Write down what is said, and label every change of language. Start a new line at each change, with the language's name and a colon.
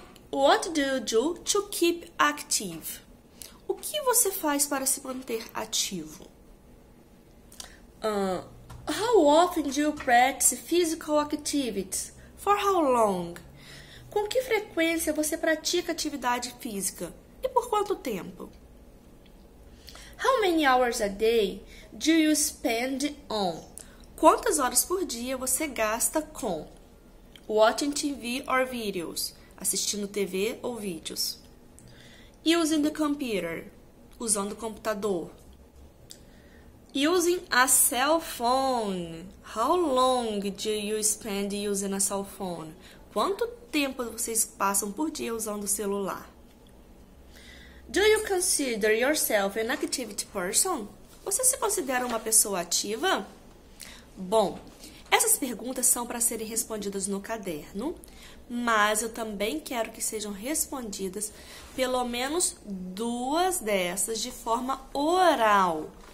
English: What do you do to keep active?
Portuguese: O que você faz para se manter ativo?
English: How often do you practice physical activities? For how long?
Portuguese: Com que frequência você pratica atividade física? E por quanto tempo?
English: How many hours a day do you spend on?
Portuguese: Quantas horas por dia você gasta com
English: watching TV or videos?
Portuguese: Assistindo TV ou vídeos?
English: Using the computer?
Portuguese: Usando o computador?
English: Using a cell phone? How long do you spend using a cell phone?
Portuguese: Quanto tempo vocês passam por dia usando o celular?
English: Do you consider yourself an activity person?
Portuguese: Você se considera uma pessoa ativa? Bom, essas perguntas são para serem respondidas no caderno, mas eu também quero que sejam respondidas pelo menos duas dessas de forma oral.